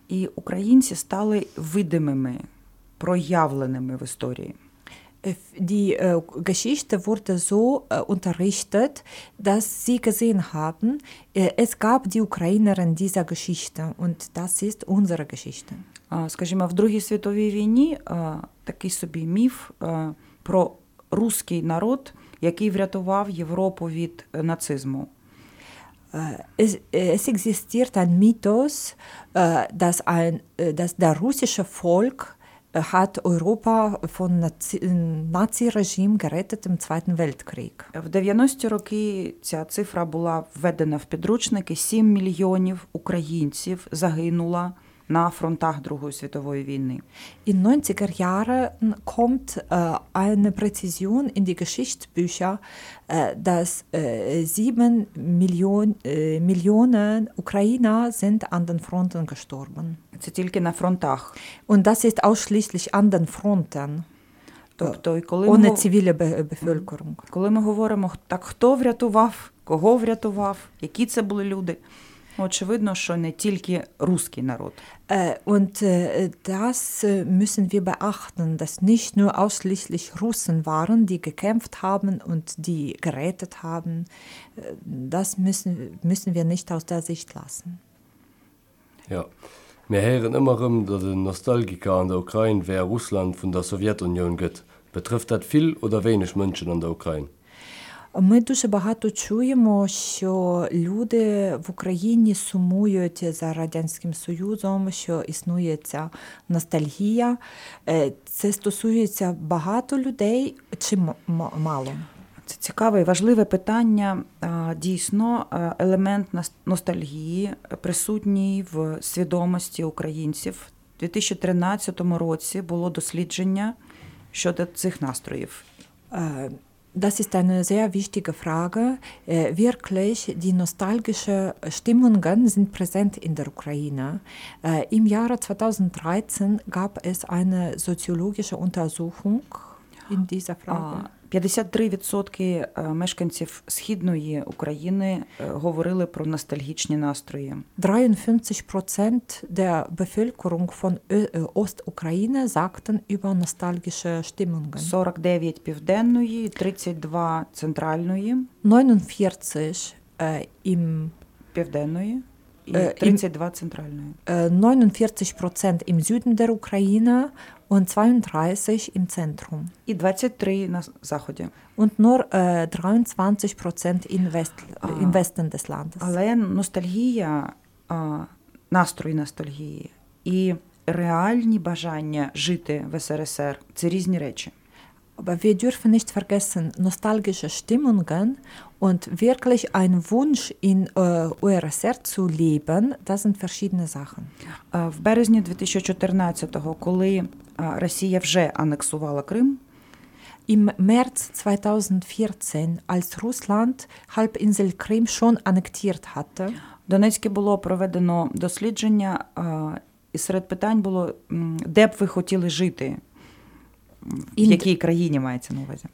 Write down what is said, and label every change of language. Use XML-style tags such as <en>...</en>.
<uk>І українці стали видимими, проявленими в історії.</uk> <de>Die Geschichte wurde so unterrichtet, dass sie gesehen haben, es gab die Ukrainer in dieser Geschichte und das ist unsere Geschichte.</de> <uk>Скажімо, в Другій світовій війні такий собі міф про русський народ, який врятував Європу від нацизму.</uk> <de>Es existiert ein Mythos, dass der russische Volk hat Europa von Nazi-Regime gerettet im Zweiten Weltkrieg.</de> <uk>В 90-ті роки ця цифра була введена в підручники. 7 мільйонів українців загинуло на фронтах Другої світової війни.</uk> <de>In 90er Jahren kommt eine Präzision in die Geschichtsbücher, dass 7 Millionen Ukrainer sind an den Fronten gestorben.</de> <uk>Це тільки на фронтах.</uk> <de>Und das ist ausschließlich an den Fronten.</de> <uk>Тобто, коли</uk> <de>ohne zivile Bevölkerung.</de> <uk>Коли ми говоримо, так хто врятував, кого врятував, які це були люди? Очевидно, що не тільки русський народ.</uk> <de>Und das müssen wir beachten, dass nicht nur ausschließlich Russen waren, die gekämpft haben und die gerettet haben. Das müssen wir nicht aus der Sicht lassen. Ja, wir hören immer, dass ein Nostalgiker an der Ukraine wäre Russland von der Sowjetunion geht. Betrifft das viel oder wenig Menschen an der Ukraine?</de> <uk>Ми дуже багато чуємо, що люди в Україні сумують за Радянським Союзом, що існує ця ностальгія. Це стосується багато людей чи мало? Це цікаве і важливе питання. Дійсно, елемент ностальгії присутній в свідомості українців. У 2013 році було дослідження щодо цих настроїв.</uk> <de>Das ist eine sehr wichtige Frage. Wirklich, die nostalgischen Stimmungen sind präsent in der Ukraine. Im Jahre 2013 gab es eine soziologische Untersuchung in dieser Frage.</de> <uk>53% мешканців Східної України говорили про ностальгічні настрої.</uk> <de>53% der Bevölkerung von Ostukraine sagten über nostalgische Stimmungen.</de> <uk>49% Південної, 32% Центральної.</uk> <de>49% im</de> <uk>Південної і 32% Центральної.</uk> <de>49% im Süden der Ukraine und 32% im Zentrum.</de> <uk>І 23% на заході.</uk> <de>Und nur 23% im Westen des Landes.</de> <uk>Але ностальгія, настрої ностальгії і реальні бажання жити в СРСР – це різні речі.</uk> <de>Aber wir dürfen nicht vergessen, nostalgische Stimmungen und wirklich ein Wunsch in URSR zu leben, das sind verschiedene Sachen.</de> <uk>В березні 2014-го, коли Росія вже анексувала Крим,</uk> <de>im März 2014, als Russland Halbinsel Krim schon annektiert hatte,</de> <uk>в Донецьку було проведено дослідження І серед питань було, де б ви хотіли жити? In, в якій країні мається на увазі?</uk>